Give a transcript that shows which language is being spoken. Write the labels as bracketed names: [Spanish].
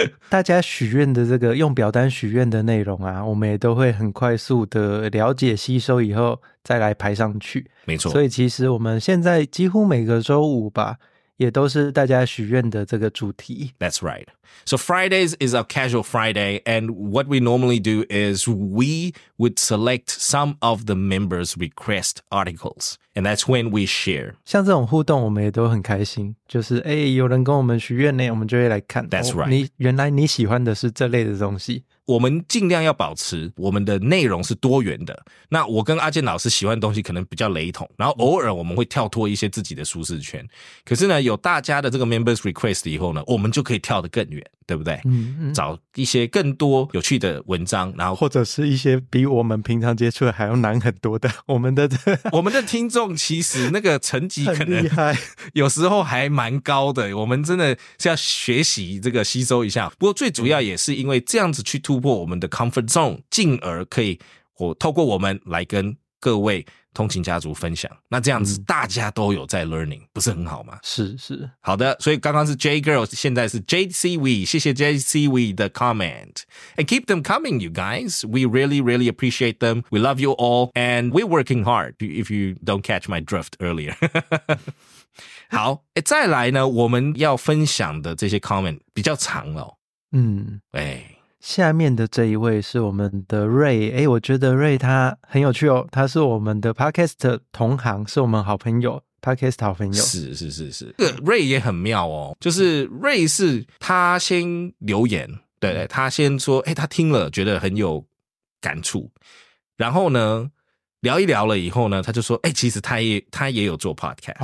[Chinese] 大家许愿的这个用表单许愿的内容啊，我们也都会很快速的了解吸收以后再来排上去，没错。所以其实我们现在几乎每个周五吧也都是大家许愿的这个主题。 [English] That's right. So Fridays is our casual Friday, and what we normally do is we would select some of the members' request articles, and that's when we share. [Chinese] 像这种互动我们也都很开心，就是哎，有人跟我们许愿呢，我们就会来看。 [English] That's right. [Chinese] 你原来你喜欢的是这类的东西。我们尽量要保持我们的内容是多元的，那我跟阿健老师喜欢的东西可能比较雷同，然后偶尔我们会跳脱一些自己的舒适圈，可是呢有大家的这个 members request 以后呢，我们就可以跳得更远，对不对？找一些更多有趣的文章，然后或者是一些比我们平常接触的还要难很多的，我们的听众其实那个层级可能有时候还蛮高的，我们真的是要学习这个吸收一下，不过最主要也是因为这样子去突破我们的 comfort zone， 进而可以透过我们来跟各位通勤家族分享，那这样子大家都有在 learning，不是很好吗？是是，好的，所以刚刚是 J Girl， 现在是 JCW， 谢谢 JCW 的 comment， [English] and keep them coming you guys， we really really appreciate them， we love you all， and we're working hard if you don't catch my drift earlier [Chinese] 好，再来呢，我们要分享的这些 comment 比较长了，下面的这一位是我们的瑞，我觉得瑞他很有趣哦，他是我们的 podcast 同行，是我们好朋友 podcast 好朋友，是是是是，这个瑞也很妙哦，就是瑞是他先留言，对对，他先说他听了觉得很有感触，然后呢聊一聊了以后呢，他就说其实他也有做 podcast